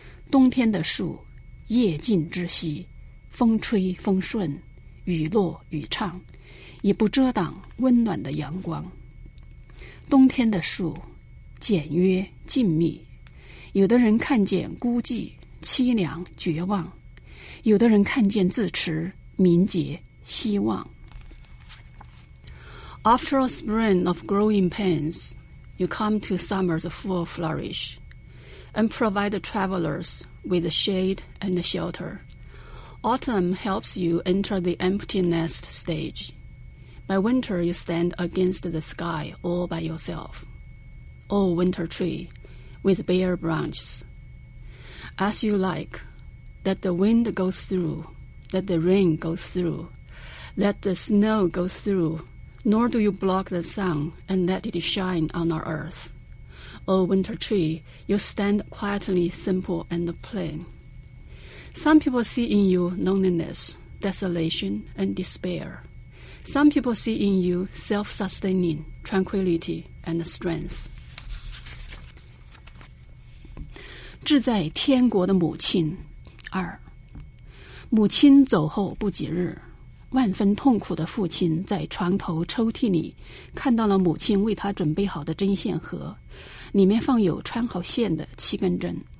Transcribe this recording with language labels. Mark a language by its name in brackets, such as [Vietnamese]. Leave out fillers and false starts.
[Chinese] 冬天的树, 叶尽枝稀, 风吹风顺, 雨落雨畅, 也不遮挡温暖的阳光。冬天的树, 简约静谧, 有的人看见孤寂, 凄凉绝望, 有的人看见自持敏捷希望. [English] After a spring of growing pains, you come to summer's full flourish and provide travelers with shade and shelter. Autumn helps you enter the empty nest stage. By winter, you stand against the sky all by yourself. O winter tree, with bare branches, as you like, let the wind go through, let the rain go through, let the snow go through, nor do you block the sun and let it shine on our earth. O winter tree, you stand quietly simple and plain. Some people see in you loneliness, desolation, and despair. Some people see in you self-sustaining, tranquility, and strength. [Chinese] 志在天国的母亲 二，母亲走后不几日， 万分痛苦的父亲在床头抽屉里看到了母亲为他准备好的针线盒， 里面放有穿好线的七根针。